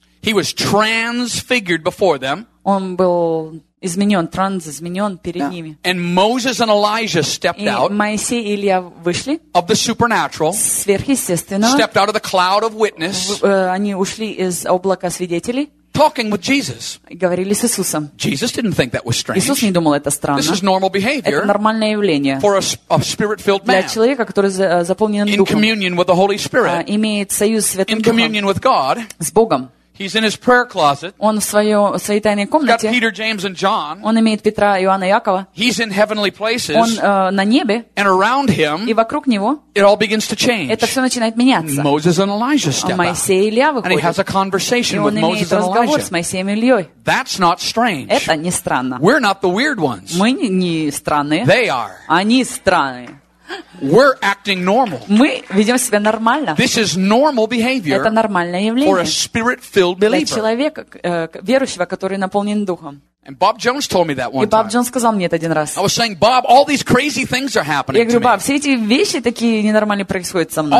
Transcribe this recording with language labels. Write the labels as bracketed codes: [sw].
[en] He was transfigured before them. [ru] Он был изменен, транс изменен перед yeah. ними. [en] And Moses and Elijah stepped out. [ru] И Моисей и Илия вышли. [en] Of the supernatural. [ru] Сверхъестественного. [en] Stepped out of the cloud of witness. [ru] Они ушли из облака свидетелей. [en] Talking with Jesus. [ru] Говорили с Иисусом. [en] Jesus didn't think that was strange. [ru] Иисус не думал это странно. [en] This is normal behavior. [ru] Это нормальное явление. [en] For a spirit-filled man. [ru] Для человека, который заполнен духом. [en] In communion with the Holy Spirit. [ru] Имеет союз с Святым Духом. [en] In communion with God. [ru] С Богом. [en] He's in his prayer closet. [ru] Он в своей тайной комнате. [en] He's got Peter, James, and John. [ru] Он имеет Петра, Иоанна и Якова. [en] He's in heavenly places. [ru] Он на небе. [en] And around him. [ru] И вокруг него. [en] It all begins to change. [ru] Это все начинает меняться. [en] And Moses and Elijah step out. [ru] Моисей и Илия выходят. [en] And he has a conversation with Moses and Elijah. [ru] И он имеет разговор с Моисеем и Ильей. [en] That's not strange. [ru] Это не странно. [en] We're not the weird ones. [ru] Мы не странные. [en] They are. [ru] Они странные. [en] We're acting normal. [ru] Мы ведем себя нормально. [en] This is normal behavior. [ru] Это нормальное явление. [en] For a spirit-filled believer. [ru] Для человека, верующего, который наполнен духом. [en] And Bob Jones told me that one time. [ru] И Боб Джонс сказал мне это один раз. [en] I was saying, Bob, all these crazy things are happening. [ru] Я говорю, Боб, все эти вещи такие ненормальные происходят со мной.